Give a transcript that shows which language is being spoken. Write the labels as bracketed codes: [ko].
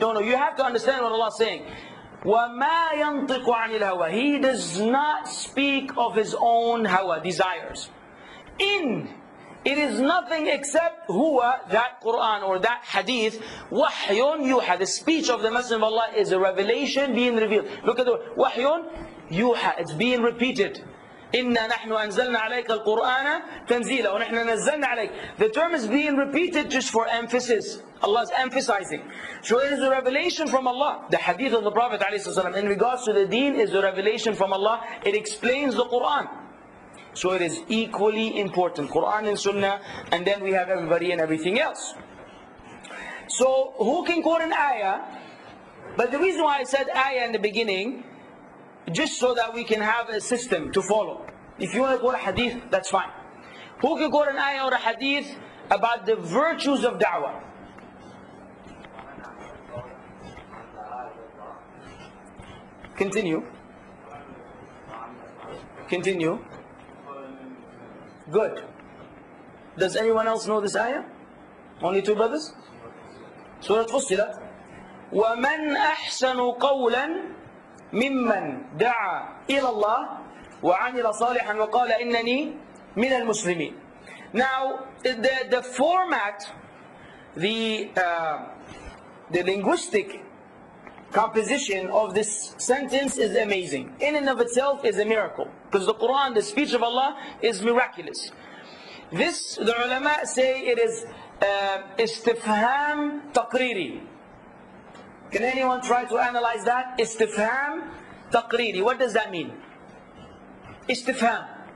[en] No, you have to understand what Allah is saying. [ar] وَمَا يَنْطِقُ عَنِ الْهَوَىٰ [en] He does not speak of his own hawa, desires. In, it is nothing except huwa, that Quran or that hadith, [ar] وَحْيٌ يُوحَىٰ [en] The speech of the Messenger of Allah is a revelation being revealed. Look at the word, [ar] وَحْيٌ يُوحَىٰ [en] It's being repeated. [ar] إِنَّا نَحْنُ أَنزَلْنَا عَلَيْكَ الْقُرْآنَ تَنزِيلًا وَنَحْنَا نَزَّلْنَا عَلَيْكَ [en] The term is being repeated just for emphasis. Allah is emphasizing. So it is a revelation from Allah. The hadith of the Prophet ﷺ in regards to the deen is a revelation from Allah. It explains the Quran. So it is equally important. Quran and Sunnah, and then we have everybody and everything else. So who can quote an ayah? But the reason why I said ayah in the beginning, just so that we can have a system to follow. If you want to quote a hadith, that's fine. Who can quote an ayah or a hadith about the virtues of da'wah? Continue. Good. Does anyone else know this ayah? Only two brothers? Surah Fussilat. [ar] وَمَنْ أَحْسَنُ قَوْلًا مِمَّنْ دَعَى إِلَى اللَّهِ وَعَمِلَ صَالِحًا وَقَالَ إِنَّنِي مِنَ الْمُسْلِمِينَ [en] Now, the format, the linguistic composition of this sentence is amazing. In and of itself is a miracle. Because the Quran, the speech of Allah, is miraculous. This, the ulama say it is istifham taqriri. Can anyone try to analyze that? Istifham taqriri. What does that mean? Istifham.